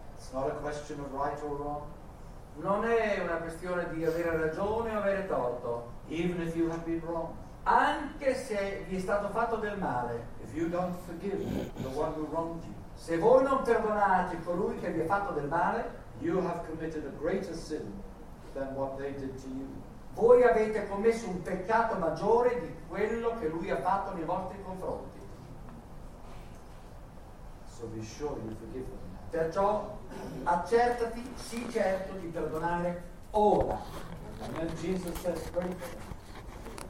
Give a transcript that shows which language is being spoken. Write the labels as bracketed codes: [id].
[en] Not a question of right or wrong. [it] Non è una questione di avere ragione o avere torto. [en] Even if you have been wrong. [it] Anche se vi è stato fatto del male. [en] If you don't forgive the one who wronged you. [it] Se voi non perdonate colui che vi ha fatto del male, [en] you have committed a greater sin than what they did to you. [it] Voi avete commesso un peccato maggiore di quello che lui ha fatto nei vostri confronti. [en] So be sure you forgive them. [it] Perciò accertati, sii certo di perdonare ora. [en] And Jesus says, pray for them.